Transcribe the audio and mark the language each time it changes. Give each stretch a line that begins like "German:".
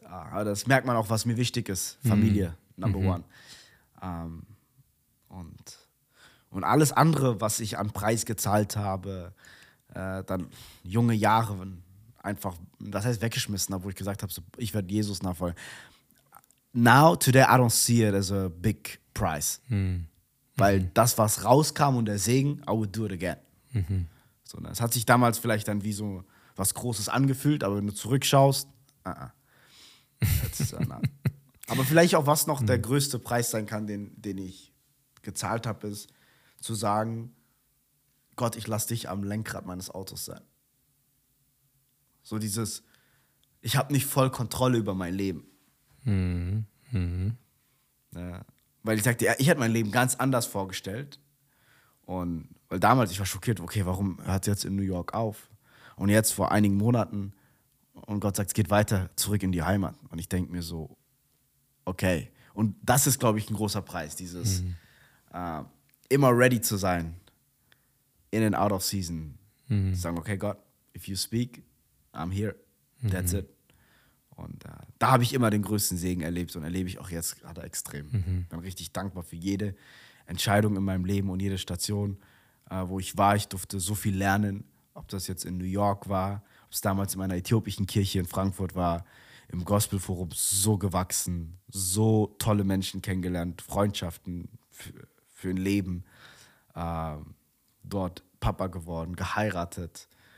German: Aber das merkt man auch, was mir wichtig ist. Familie,
English: number one.
German: Und alles andere, was ich an Preis gezahlt habe, dann junge Jahre einfach, das heißt weggeschmissen, obwohl ich gesagt habe, so, ich werde Jesus nachfolgen.
English: Now, today, I don't see it as a big price.
German: Weil das, was rauskam und der Segen,
English: I would do it again.
German: So, das hat sich damals vielleicht dann wie so was Großes angefühlt, aber wenn du zurückschaust, aber vielleicht auch, was noch der größte Preis sein kann, den ich gezahlt habe, ist zu sagen, Gott, ich lasse dich am Lenkrad meines Autos sein. So dieses, ich habe nicht voll Kontrolle über mein Leben. Ja. Weil ich sagte, ja, ich hätte mein Leben ganz anders vorgestellt. Und weil damals, ich war schockiert, okay, warum hört es jetzt in New York auf? Und jetzt vor einigen Monaten, und Gott sagt, es geht weiter zurück in die Heimat. Und ich denke mir so, okay. Und das ist, glaube ich, ein großer Preis, dieses immer ready zu sein,
English: in and out of season.
German: Zu sagen, okay, Gott,
English: if you speak, I'm here, that's it.
German: Und da habe ich immer den größten Segen erlebt und erlebe ich auch jetzt gerade extrem. Ich bin richtig dankbar für jede Entscheidung in meinem Leben und jede Station, wo ich war. Ich durfte so viel lernen, ob das jetzt in New York war, ob es damals in meiner äthiopischen Kirche in Frankfurt war, im Gospelforum so gewachsen, so tolle Menschen kennengelernt, Freundschaften für ein Leben, dort Papa geworden, geheiratet.